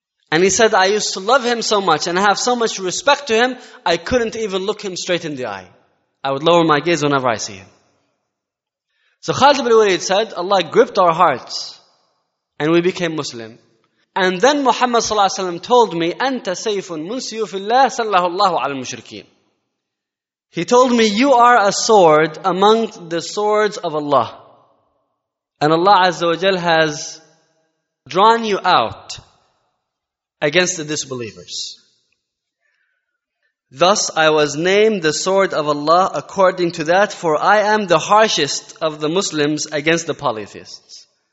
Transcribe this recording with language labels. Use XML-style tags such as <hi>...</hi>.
<en>And he said, I used to love him so much and have so much respect to him, I couldn't even look him straight in the eye. I would lower my gaze whenever I see him. So Khalid ibn Walid said, Allah gripped our hearts and we became Muslim. And then Muhammad Sallallahu Alaihi Wasallam told me,</en> <ar>أَنْتَ سَيْفٌ مُنْ سِيُوفِ اللَّهِ سَلَّهُ اللَّهُ عَلَى الْمُشْرِكِينَ.</ar> <en>He told me, you are a sword among the swords of Allah. And Allah Azza wa Jal has drawn you out against the disbelievers. Thus I was named the sword of Allah according to that, for I am the harshest of the Muslims against the polytheists.</en>